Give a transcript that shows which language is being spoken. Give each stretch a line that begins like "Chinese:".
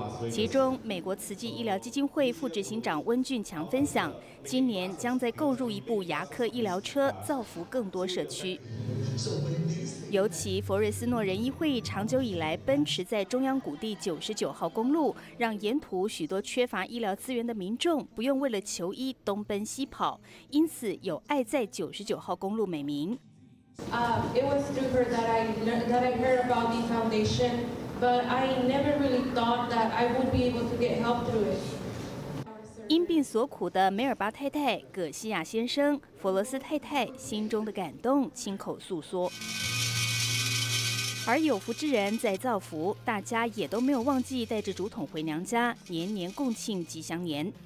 Chinese: 其中，美国慈济医疗基金会副执行长温俊强分享，今年将再购入一部牙科医疗车，造福更多社区。尤其佛瑞斯诺仁医会长久以来奔驰在中央谷地99号公路，让沿途许多缺乏医疗资源的民众不用为了求医东奔西跑，因此有“爱在99号公路”美名。
English: It was through her that I heard about the foundation, but I never really thought that I would be able to get help through it.
Chinese: 因病所苦的梅尔巴太太、葛西亚先生、佛罗斯太太心中的感动亲口诉说，而有福之人在造福，大家也都没有忘记带着竹筒回娘家，年年共庆吉祥年。